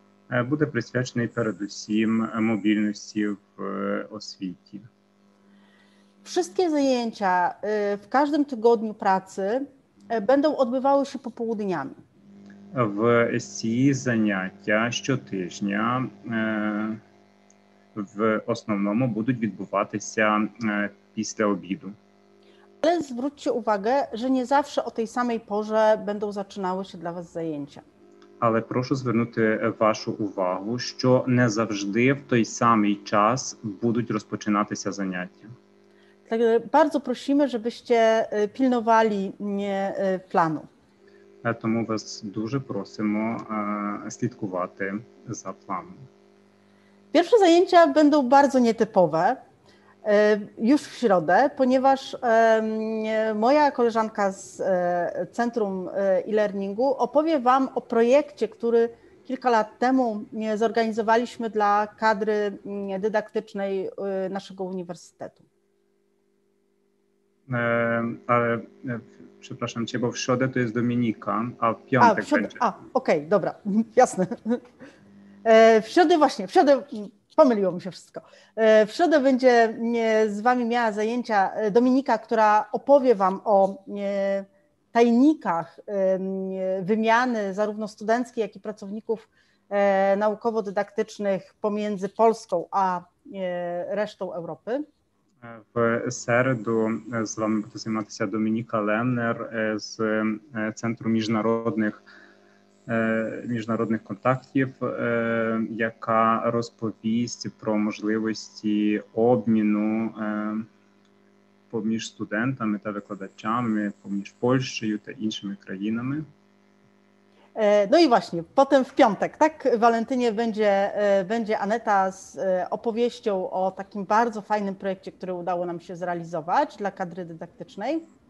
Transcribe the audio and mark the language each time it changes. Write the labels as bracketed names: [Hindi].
[Ukrainian] Буде присвячений передусім мобільності в освіті. [Polish] Wszystkie zajęcia w każdym tygodniu pracy będą odbywały się popołudniami. [Ukrainian] W ESI zajęcia щотижня w основном будуть відбуватися після обіду. [Polish] Ale zwróćcie uwagę, że nie zawsze o tej samej porze będą zaczynały się dla was zajęcia. [Ukrainian] Ale proszę zwrócić waszą uwagę, що не завжди в той самий час будуть розпочинатися заняття. [Polish] Tak, bardzo prosimy, żebyście pilnowali planu. [Ukrainian] Тому вас дуже просимо слідкувати за планом. [Polish] Pierwsze zajęcia będą bardzo nietypowe już w środę, ponieważ moja koleżanka z Centrum e-Learningu opowie wam o projekcie, który kilka lat temu zorganizowaliśmy dla kadry dydaktycznej naszego uniwersytetu. Ale przepraszam cię, bo w środę to jest Dominika, a w piątek będzie. Okej, dobra, jasne. W środę pomyliło mi się wszystko. W środę będzie z wami miała zajęcia Dominika, która opowie wam o tajnikach wymiany zarówno studenckiej, jak i pracowników naukowo-dydaktycznych pomiędzy Polską a resztą Europy. [Ukrainian] В середу з вами буде займатися Домініка Леннер з Центру міжнародних міжнародних контактів, яка розповість про можливості обміну поміж студентами та викладачами, поміж Польщею та іншими країнами. [Polish] No i właśnie, potem w piątek, tak, Walentynie, będzie Aneta z opowieścią o takim bardzo fajnym projekcie, który udało nam się zrealizować dla kadry dydaktycznej.